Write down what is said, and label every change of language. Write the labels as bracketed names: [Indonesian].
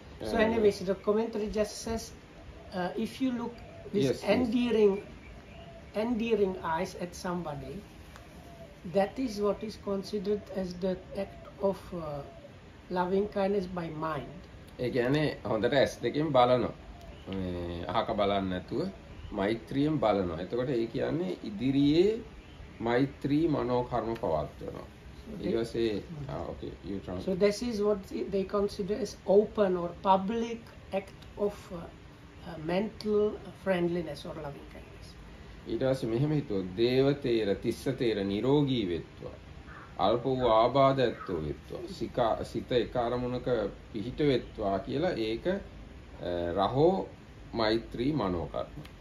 [English] So anyways, the commentary just says if you look with endearing eyes at somebody, that is what is considered as the act of loving kindness by mind. [Sinhala] ඒ කියන්නේ හොඳට ඇස් දෙකෙන් බලනවා. මේ අහක බලන්නේ නැතුව මෛත්‍රියෙන් බලනවා. එතකොට ඒ කියන්නේ ඉදිරියේ මෛත්‍රී මනෝ කර්ම පවත්වනවා. ඊවසේ okay you trans. [English] So this is what they consider as open or public act of mental friendliness or loving kindness. [Sinhala] ඊට පස්සේ මෙහෙම හිතුවොත් දේව තේර තිස්ස තේර නිරෝගී වෙත්වා අල්ප වූ ආබාධ ඇත්තෝ වෙත්වා සිත එක අරමුණක පිහිට වෙත්වා කියලා ඒක රහෝ මෛත්‍රී මනෝ කර්ම.